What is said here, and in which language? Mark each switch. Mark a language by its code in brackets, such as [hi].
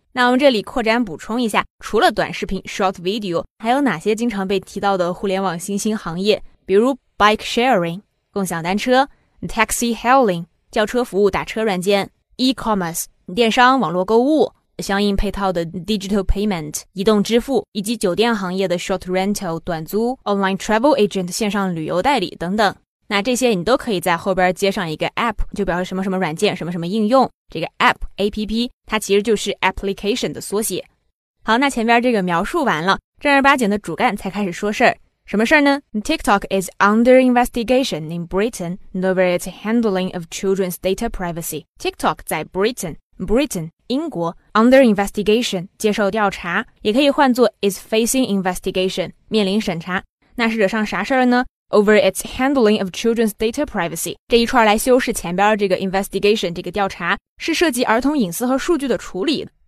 [zh] 那我们这里扩展补充一下，除了短视频 short video， 还有哪些经常被提到的互联网新兴行业，比如 bike sharing， 共享单车， taxi hailing， 叫车服务打车软件， e-commerce， 电商网络购物，相应配套的 digital payment 移动支付，以及酒店行业的 short rental 短租， online travel agent 线上旅游代理等等。那这些你都可以在后边接上一个 app， 就表示什么什么软件什么什么应用，这个 app APP 它其实就是 application 的缩写。好，那前边这个描述完了，正儿八经的主干才开始说事儿。什么事儿呢 [en] ?TikTok is under investigation in Britain over its handling of children's data privacy. [zh] TikTok 在 Britain, 英国 , [en] under investigation, [zh] 接受调查也可以换作 [en] is facing investigation, [zh] 面临审查。那是惹上啥事儿呢 ? [en] Over its handling of children's data privacy, [zh] 这一串来修饰前边这个 investigation, 这个调查是涉及儿童隐私和数据的处理。